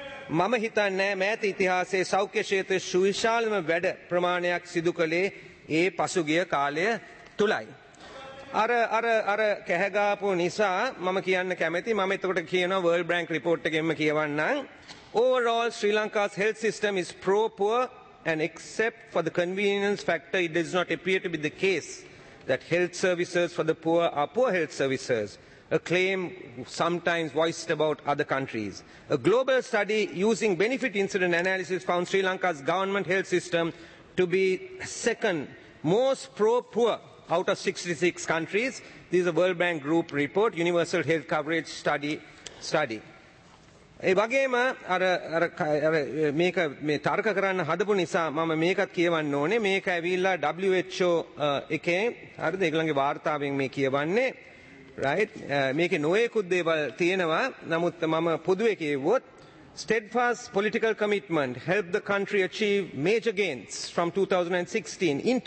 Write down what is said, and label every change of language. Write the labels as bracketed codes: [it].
[si] මම හිතන්නේ මෑත ඉතිහාසයේ සෞඛ්‍ය ක්ෂේත්‍රයේ සුවිශාලම වැඩ ප්‍රමාණයක් සිදු කළේ ඒ පසුගිය කාලය තුලයි. අර කැහැගාපු නිසා මම කියන්න කැමැති, මම එතකොට කියනවා World Bank report එකෙන්ම කියවන්නම්. [en] Overall, Sri Lanka's health system is pro-poor, and except for the convenience factor, it does not appear to be the case that health services for the poor are poor health services, a claim sometimes voiced about other countries. A global study using benefit incident analysis found Sri Lanka's government health system to be second most pro-poor out of 66 countries. This is a World Bank Group report, Universal Health Coverage Study. [si] ඒ වගේම අර අර අර මේක මේ තර්ක කරන්න හදපු නිසා මම මේකත් කියවන්න ඕනේ. මේක ඇවිල්ලා WHO එකේ, හරිද, ඒගොල්ලන්ගේ වාර්තාවෙන් මේ කියවන්නේ, රයිට්. මේකේ නොයෙකුත් දේවල් තියෙනවා, නමුත් මම පොදුවේ කියෙව්වොත්, [en] steadfast political commitment helped the country achieve major gains from 2016.